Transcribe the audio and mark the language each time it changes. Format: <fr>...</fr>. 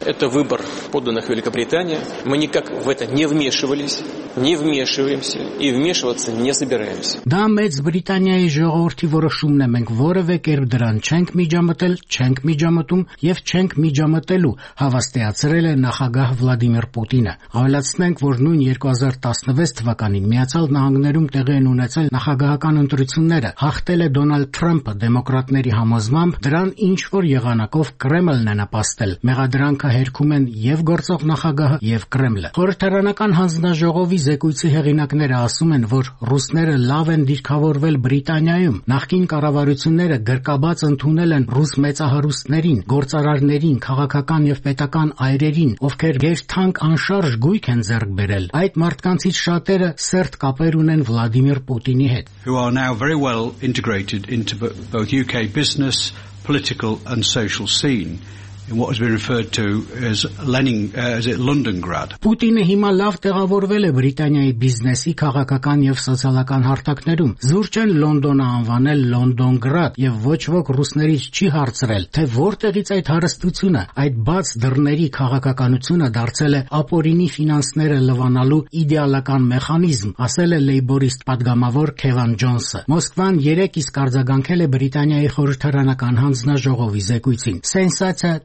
<ru>Это выбор подданных Великобритании. Мы никак в это не вмешивались, не вмешиваемся и вмешиваться не собираемся.</ru> <hy>Да, Մեծ Բրիտանիայի ժողովրդի որոշումն է, մենք որևէ կերպ դրան չենք միջամտել, չենք միջամտում եւ չենք միջամտելու, հավաստիացրել է նախագահ Վլադիմիր Պուտինը։ Ավելացնենք, որ նույն 2016 թվականին Միացյալ Նահանգներում տեղի են ունեցել նախագահական ընտրությունները, հաղթել է Դոնալդ Թրամփը դեմոկրատների համոզմամբ, դրան ինչ որ եղանակով Կրեմլն է նապաստել։ Մեղադրանք հերքում են եւ գործող նախագահը եւ Կրեմլը։ Խորհրդարանական հանձնաժողովի զեկույցի հեղինակները ասում են, որ ռուսները լավ են դիրքավորվել Բրիտանիայում, նախկին կառավարությունները գրկաբաց ընդունել են ռուս մեծահարուստներին, գործարարներին, քաղաքական եւ պետական այրերին, ովքեր գերթանք անշարժ գույք են ձեռք բերել։ Այդ մարդկանցից շատերը սերտ կապեր ունեն Վլադիմիր Պուտինի հետ։</hy> <en>Who are now very well integrated into both UK business, political and social scene. In what has been referred to as Lenin, as it Londongrad.</en> <hy>Պուտինը հիմա լավ տեղավորվել է Բրիտանիայի բիզնեսի, քաղաքական եւ սոցիալական հարթակներում։ Զուրջ են Լոնդոնը անվանել Լոնդոնգրադ եւ ոչ ոք ռուսներից չի հարցրել, թե որտեղից այդ հարստությունը, այդ բաց դռների քաղաքականությունը դարձել է ապօրինի ֆինանսները լվանալու իդեալական մեխանիզմ, ասել է լեյբորիստ պատգամավոր Քևան Ջոնսը։ Մոսկվան 3 իսկ արձագանքել է Բրիտանիայի խորհրդարանական հանձնաժողովի զեկույցին։ Սենսացիա</hy>